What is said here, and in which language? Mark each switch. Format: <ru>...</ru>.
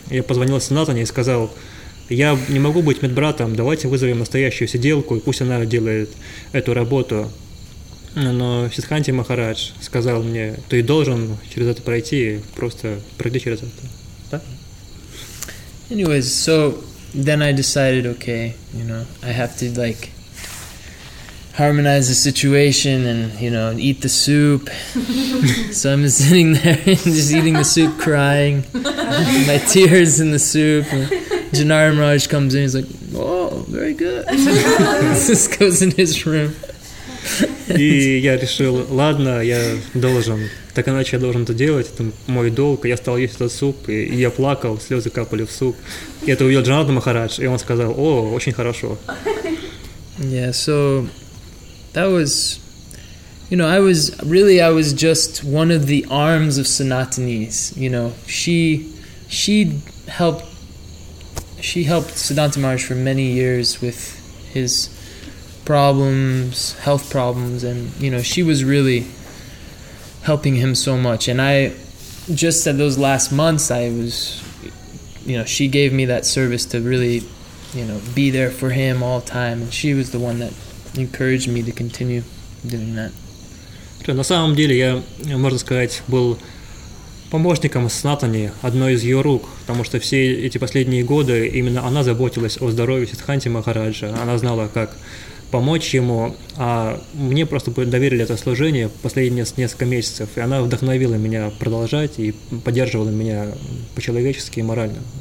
<ru>Я позвонил Санатане и сказал: «Я не могу быть медбратом, давайте вызовем настоящую сиделку, и пусть она делает эту работу». Но Сиддханти Махарадж сказал мне: «Ты должен через это пройти, просто пройди через это». Да?</ru> <en>Anyways, so then I decided, okay, you know, I have to like harmonize the situation and, you know, eat the soup. So I'm sitting there and just eating the soup, crying, my tears in the soup. Janar Maharaj comes in, he's like, "Oh, very good." Just goes in his room.</en> <ru>И я решил, ладно, я должен, так иначе я должен это делать, это мой долг. Я стал есть этот суп, и я плакал, слезы капали в суп. И это увидел Джанард Махарадж, и он сказал: «О, очень хорошо».</ru> <en>Yeah, so that was, you know, I was just one of the arms of Sanatani's, you know. She helped Siddhanta Maharaj for many years with his problems, health problems, and, you know, she was really helping him so much. And I just said those last months I was, you know, she gave me that service to really, you know, be there for him all the time, and she was the one that encouraged me to continue doing that.</en> <ru>На самом деле я, можно сказать, был помощником Снатани, одной из ее рук, потому что все эти последние годы именно она заботилась о здоровье Сиддханти Махараджа. Она знала, как помочь ему, а мне просто доверили это служение последние несколько месяцев, и она вдохновила меня продолжать и поддерживала меня по-человечески и морально.</ru>